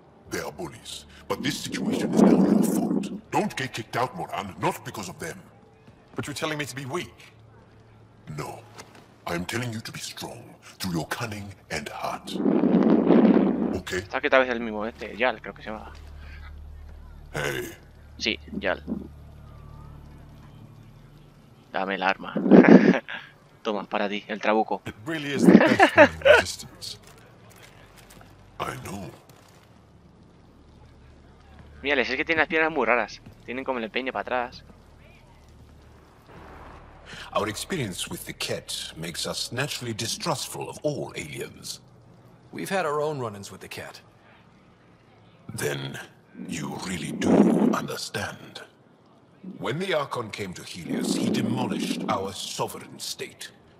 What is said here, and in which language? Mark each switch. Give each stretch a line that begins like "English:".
English: They are bullies, but this situation is now your fault. Don't get kicked out, Moran, not because of them. But you're telling me to be weak. No, I'm telling you to be strong through your cunning and heart. Okay.
Spanish: Está que tal vez el mismo este, Yal, creo que se llama.
English: Hey.
Spanish: Sí, Yal. Dame el arma. Toma, para ti, el trabuco.
English: It really is the best in existence. I know.
Spanish: Mírales, es que tienen las piernas muy raras. Tienen como el empeine para atrás.
English: Our experience with the Ket makes us naturally distrustful of all aliens. We've had our own run-ins with the Ket. Then you really do understand. When the Archon came to Helios, he demolished our sovereign state.